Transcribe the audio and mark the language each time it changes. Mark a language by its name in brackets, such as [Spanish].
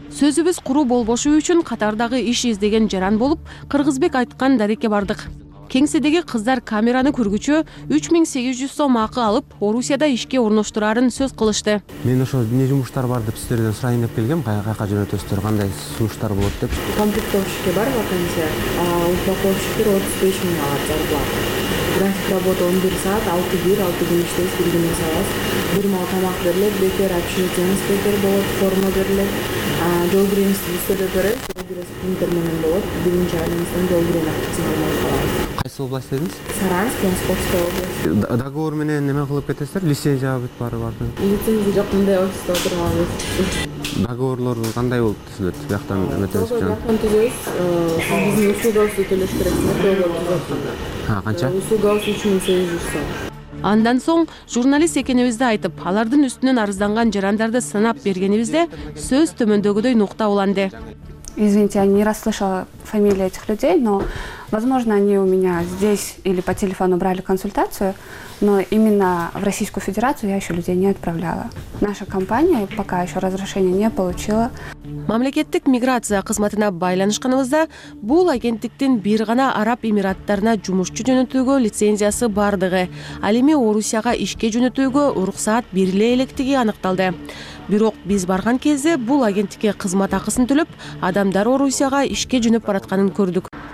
[Kyrgyz] Сөзүбүз куруу болбошу үчүн Катардагы иш издеген жаран болуп, Кыргызбек айткан дарекке бардык. Кеңседеги кыздар камераны көргүчү 3800 сом акы алып, Орусияда ишке орноштурарын сөз кылышты. Мен ошо эмне жумуштар бар деп силерден сурайын деп келгем, кайка жөнөтөсүздөр, кандай сунуштар болот деп. Компьютер ишке бар вакансия. Упаковщиктер 35 миң алат зарплата. [Russian] График работа [Kyrgyz] 11 саат, 6 күн иштейбиз, 1 күн эс алабыз. 1 маал тамак берилет, бекер общежитиебиз бекер болот, форма берилет. Жол киремиз сизде көрөбүз. Принтер менен болот. Биринчи айыбыздан жол кирем акчасын алмай калабыз. Кайсы область дедиңиз? Саранск, Московская область. Договор менен эме кылып кетесиздер? Лицензия бүт бары бардын. Лицензия жок, мындай офисте отурмабыз. Договорлор кандай болуп түзүлөт? Бияктан өтөсүз жана. Бияктан түзөбүз. Биздин услугабызды төлөш керек. Канча? Услугабыз 3800 сом. Андан соң журналист экенибизди айтып, алардын үстүнөн арызданган жарандарды санап бергенибизде сөз төмөндөгүдөй нукта уланды. [Russian] Извините, я не расслышала фамилии этих людей, но, возможно, они у меня здесь или по телефону брали консультацию, но именно в Российскую Федерацию я еще людей не отправляла. Наша компания пока еще разрешения не получила. [Kyrgyz] Мамлекеттик миграция кызматына байланышканыбызда, бул агенттиктин бир гана Араб Эмираттарына жумушчу жөнөтүүгө лицензиясы бардыгы, ал эми Орусияга ишке жөнөтүүгө уруксат бериле электиги аныкталды. Бирок биз барган кезде бул агенттикке кызмат акысын төлөп, адамдар Орусияга ишке жөнөп баратканын көрдүк.